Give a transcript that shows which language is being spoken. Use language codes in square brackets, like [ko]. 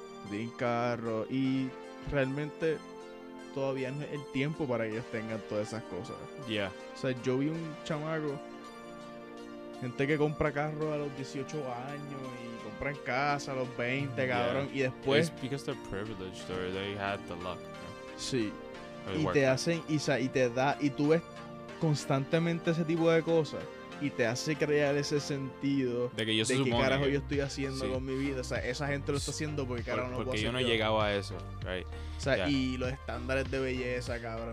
[es] Tienen carro y realmente todavía no es el tiempo para que ellos tengan todas esas cosas. [en] Yeah. [es] O sea, yo vi un chamaco, gente que compra carro a los 18 años y compran casa a los 20, cabrón. Yeah. Y después. [en] It's because they're privileged or they had the luck. Right? [es] Sí. Y te hacen, y te da, y tú ves constantemente ese tipo de cosas. Y te hace crear ese sentido de que yo de qué carajo yo estoy haciendo con mi vida. O sea, esa gente lo está haciendo porque carajo no porque puedo yo no he llegado a eso, [en] right? [es] O sea, y los estándares de belleza, cabrón.